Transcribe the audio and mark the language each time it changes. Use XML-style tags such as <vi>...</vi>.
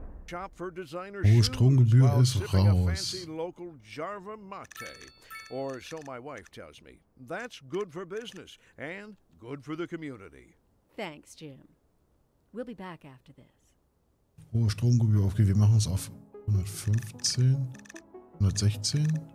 <de>Oh, Stromgebühr ist raus.</de> <en>Jarva Mate, or so my wife tells me. That's good for business and good for the community. Thanks, Jim. We'll be back after this.</en> <de>Oh, Stromgebühr, okay, wir machen es auf 115, 116.</de>